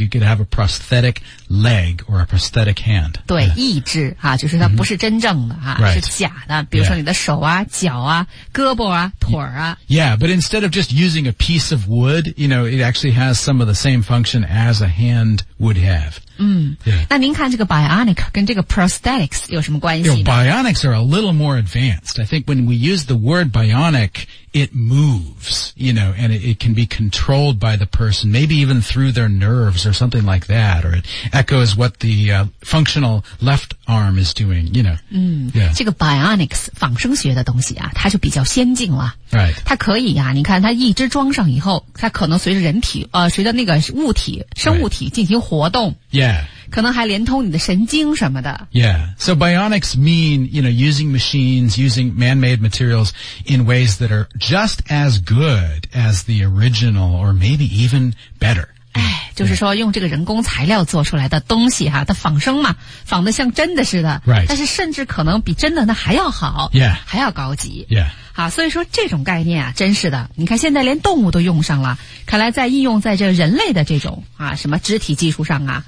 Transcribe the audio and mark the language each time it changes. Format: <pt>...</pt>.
<en>You could have a prosthetic leg or a prosthetic hand.</en> <zh>对，义肢啊，就是它不是真正的啊，</zh> <en>right.</en> <zh>是假的。比如说你的手啊、</zh> <en>yeah.</en> <zh>脚啊、胳膊啊、腿啊。</zh> <en>Yeah. Yeah, but instead of just using a piece of wood, you know, it actually has some of the same function as a hand would have. 嗯、 yeah.</en> <zh>那您看这个 bionic 跟这个 prosthetics 有什么关系呢</zh> <en>you know, Bionics are a little more advanced. I think when we use the word bionic, it moves, you know, and it can be controlled by the person, maybe even through their nerves or something like that, or it echoes what the、functional left arm is doing, you know. 嗯、 yeah.</en> <zh>这个 bionics, 仿生学的东西啊它就比较先进了。</zh> <en>Right.</en> <zh>它可以啊你看它一只装上以后它可能随着人体随着那个物体生物体进行活动。</zh> <en>Right. Yeah.</en> <zh>可能还连通你的神经什么的。</zh> <en>Yeah. So bionics mean, you know, using machines, using man-made materials in ways that are just as good as the original or maybe even better.</en> <zh>就是说用这个人工材料做出来的东西哈、啊、它仿生嘛仿得像真的似的、</zh> <en>right.</en> <zh>但是甚至可能比真的那还要好、</zh> <en>yeah.</en> <zh>还要高级、</zh> <en>yeah.</en> <zh>好所以说这种概念啊真是的你看现在连动物都用上了看来在应用在这人类的这种啊什么肢体技术上啊、</zh>